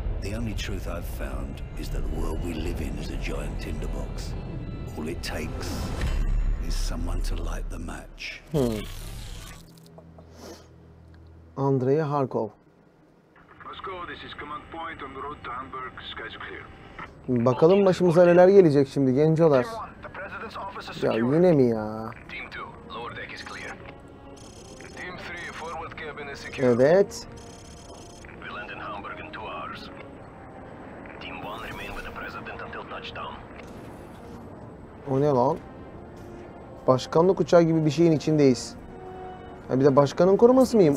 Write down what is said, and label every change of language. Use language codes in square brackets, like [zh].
[en] The only truth I've found is that the world we live in is a giant tinderbox. All it takes is someone to light the match. Andrei Harkov. Moscow, this is command point on the road to Hamburg. Sky's clear. [tr] Bakalım başımıza neler gelecek şimdi gencolar. Ya yine mi ya? [en] Team 2, lower deck is clear. Team 3, forward cabin is secure. [tr] Evet. [en] We land in Hamburg in 2 hours. Team 1, remain with the president until touchdown. [tr] O ne lan? Başkanlık uçağı gibi bir şeyin içindeyiz. Ha bir de başkanın koruması mıyım?